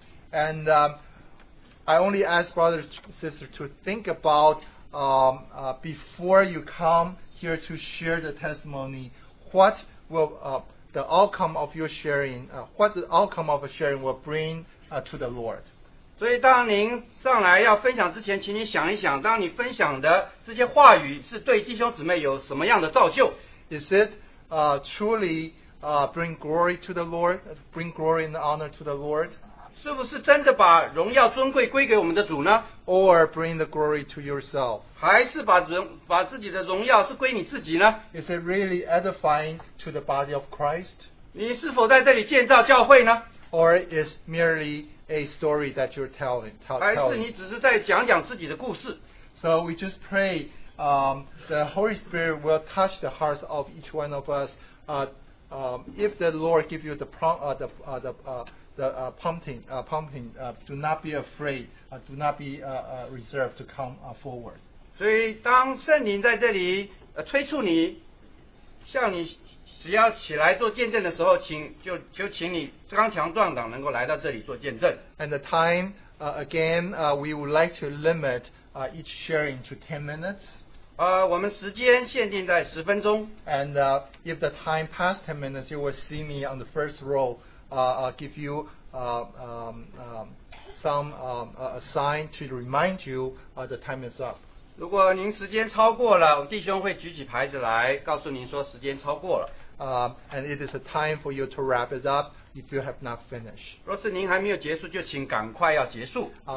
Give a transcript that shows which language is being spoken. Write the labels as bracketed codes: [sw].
[en] And I only ask brothers and sisters to think about before you come here to share the testimony, what will the outcome of your sharing, what the outcome of a sharing will bring to the Lord. [zh] 所以当您上来要分享之前, 请你想一想, 当你分享的这些话语是对弟兄姊妹有什么样的造就? [en] Is it truly bring glory to the Lord, bring glory and honor to the Lord? [zh] 是不是真的把荣耀尊贵归给我们的主呢? [en] Or bring the glory to yourself? [zh] 还是把自己的荣耀是归你自己呢? [en] Is it really edifying to the body of Christ? [zh] 你是否在这里建造教会呢? [en] Or is merely a story that you're telling? [zh] 还是你只是在讲讲自己的故事? [en] So we just pray the Holy Spirit will touch the hearts of each one of us if the Lord give you the prompting, do not be afraid, do not be reserved to come forward. [zh] 所以当圣灵在这里, 催促你, 向你只要起来做见证的时候, 请, 就, 就请你刚强壮胆, [en] and the time, we would like to limit each sharing to 10 minutes. [zh] 我们时间限定在10分钟, [en] and if the time passed 10 minutes, you will see me on the first row, give you a sign to remind you the time is up. [zh] 如果您时间超过了, 弟兄会举起牌子来告诉您说时间超过了。 [en] And it is a time for you to wrap it up if you have not finished. [zh] 若是您还没有结束, 就请赶快要结束。